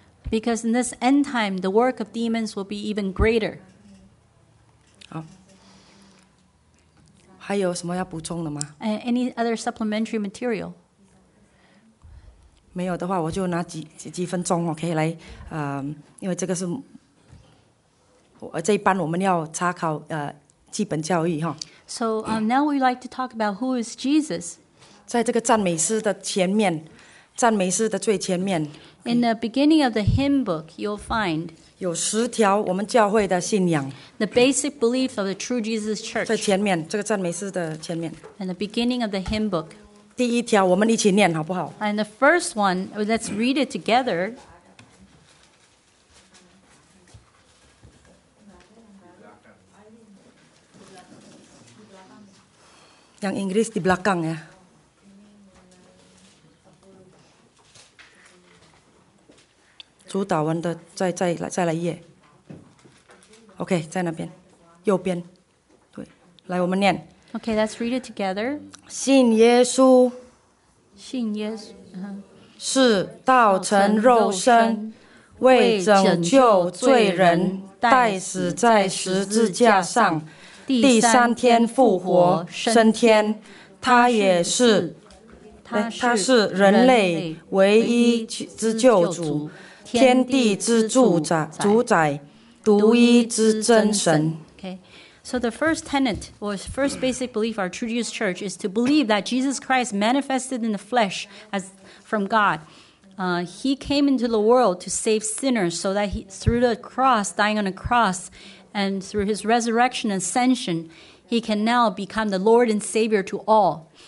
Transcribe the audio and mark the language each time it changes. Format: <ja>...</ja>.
<en>Because in this end time, the work of demons will be even greater.</en> <zh>好，还有什么要补充的吗？</zh> <en>Any other supplementary material?</en> <zh>没有的话，我就拿几分钟 ，OK， 来，因为这个是，这一班我们要查考基本教义哈。</zh> <en>So now we'd like to talk about who is Jesus.</en> <zh>在这个赞美诗的前面，赞美诗的最前面。</zh> <en>In the beginning of the hymn book, you'll find</en> <zh>有十条我们教会的信仰。</zh> <en>The basic belief of the true Jesus Church.</en> <zh>在前面，这个赞美诗的前面。</zh> <en>In the beginning of the hymn book.</en> <zh>第一条，我们一起念好不好</zh> <en>？And the first one, let's read it together.</en> <ms>Yang Inggris di belakang ya.</ms> <zh>Cuta Wanda, 再来一页。OK, 在那边，右边。对，来我们念。</zh> <en>OK, let's read it together.</en> <zh>信耶稣。信耶稣。是道成肉身，为拯救罪人，代死在十字架上。第三天复活升天，他也是，他是人类唯一之救主，天地之主宰，独一之真神。</zh> <en>Okay, so the first tenet or first basic belief of our True Jesus Church is to believe that Jesus Christ manifested in the flesh as from God. He came into the world to save sinners, so that through the cross, dying on a cross. And through his resurrection and ascension, he can now become the Lord and Savior to all.</en>